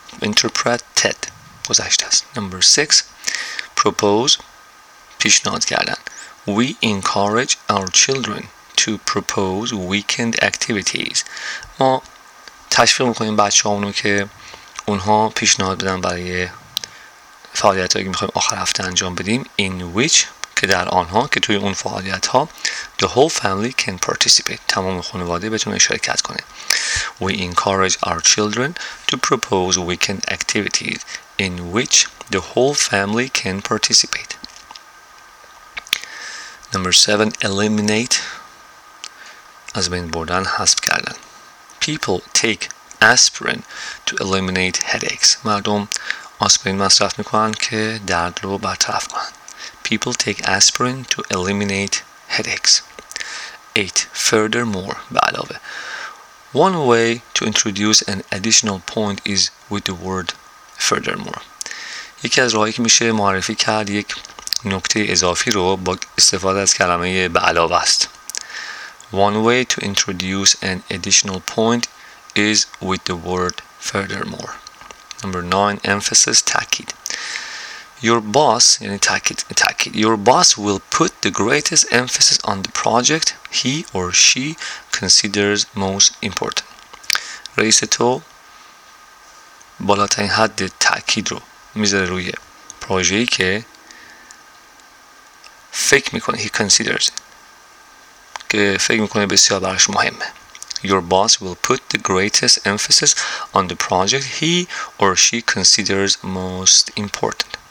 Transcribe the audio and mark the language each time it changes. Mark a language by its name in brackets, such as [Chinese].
[English] Interpreted, [Persian] گذشته است. [English] Number six, propose, [Persian] پیشنهاد کردن. [English] We encourage our children to propose weekend activities. [Persian] ما تشویق میکنیم بچه همونو که اونها پیشنهاد بدن برای فعالیت هایی که میخواییم آخر هفته انجام بدیم. [English] In which, [Persian] که در آنها, که توی اون فعالیت ها, [English] the whole family can participate. [Persian] تمام خانواده بتونه شرکت کنه. [English] We encourage our children to propose weekend activities in which the whole family can participate. Number seven, eliminate. [Persian] از بین بردن, حذف کردن. [English] People take aspirin to eliminate headaches. [Persian] مردم آسپرین مصرف میکنن که درد رو برطرف کنن. [English] People take aspirin to eliminate headaches. 8. [Persian] Furthermore, به علاوه. [English] One way to introduce an additional point is with the word furthermore. [Persian] یکی از راهی که میشه معرفی کرد یک نکته اضافی رو با استفاده از کلمه به علاوه است. [English] One way to introduce an additional point is with the word furthermore. Number 9. Emphasis, تأکید. Your boss, [Persian] یعنی تأکید, [English] your boss will put the greatest emphasis on the project he or she considers most important. [Persian] رئیس تو بالاترین حد تأکید رو میذاره روی پروژه‌ای که فکر میکنه, [English] he considers, [Persian] که فکر میکنه بسیار براش مهمه. [English] Your boss will put the greatest emphasis on the project he or she considers most important.